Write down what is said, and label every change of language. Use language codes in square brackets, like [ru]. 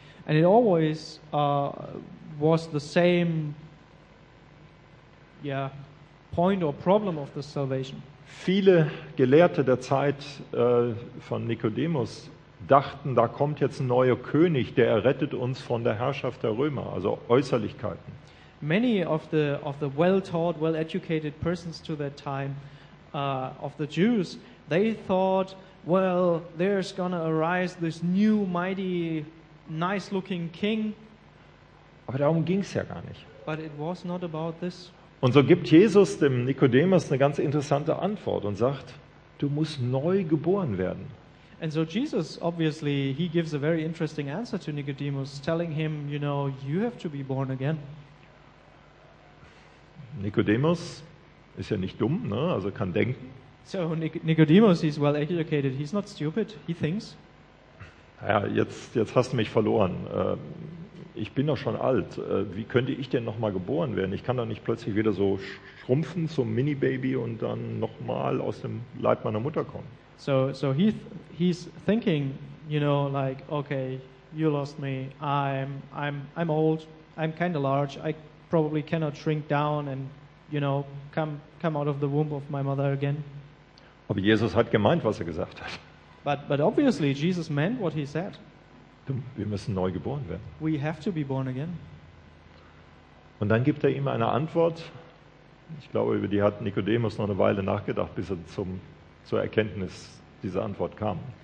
[en] And it always was the same point or problem of the salvation. [de] Viele Gelehrte der Zeit von Nikodemus dachten, da kommt jetzt ein neuer König, der errettet uns von der Herrschaft der Römer, also Äußerlichkeiten. [en] Many of the well-taught, well-educated persons to that time of the Jews, they thought, well, there's gonna arise this new, mighty, nice-looking king. [de] Aber darum ging's ja gar nicht. [en] But it was not about this. [de] Und so gibt Jesus dem Nikodemus eine ganz interessante Antwort und sagt, du musst neu geboren werden. [en] And so Jesus, obviously, he gives a very interesting answer to Nicodemus, telling him, you know, you have to be born again. [de] Nikodemus ist ja nicht dumm, ne? Also kann denken. [en] So Nikodemus, he's well educated, he's not stupid, he thinks. [de] Naja, jetzt hast du mich verloren. Ich bin doch schon alt. Wie könnte ich denn nochmal geboren werden? Ich kann doch nicht plötzlich wieder so schrumpfen zum Mini-Baby und dann nochmal aus dem Leib meiner Mutter kommen. [en] So he's thinking, you know, like, okay, you lost me. I'm old. I'm kind of large. I probably cannot shrink down and, you know, come out of the womb of my mother again. [de] Aber Jesus hat gemeint, was er gesagt hat. [en] But obviously Jesus meant what he said. [de] Wir müssen neu geboren werden. [en] We have to be born again. [de] Und dann gibt er ihm eine Antwort. Ich glaube, über die hat Nikodemus noch eine Weile nachgedacht, bis er zur Erkenntnis dieser Antwort kam.